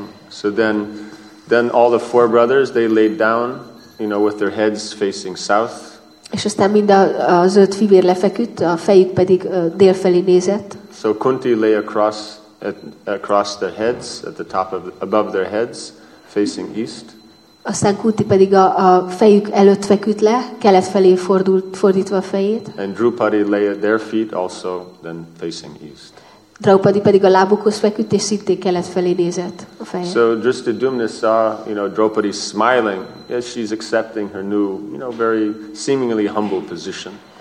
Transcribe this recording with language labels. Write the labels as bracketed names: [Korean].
[English] So then all the four brothers, they laid down, you know, with their heads facing south. [Hungarian] És aztán mind az öt fivér lefeküdt, a fejük pedig dél felé nézett. [English] So Kunti lay across their heads, at the top of, above their heads, facing east. [Hungarian] Aztán Kunti pedig a fejük előtt feküdt le, kelet felé fordítva a fejét. [English] And Draupadi lay at their feet also, then facing east. [Hungarian] Draupadi pedig a lábukhoz feküdt, és szintén kelet felé nézett a fejét. [English] So Dhrishtadyumna saw, you know, Draupadi smiling as she's accepting her new, you know, very seemingly humble position.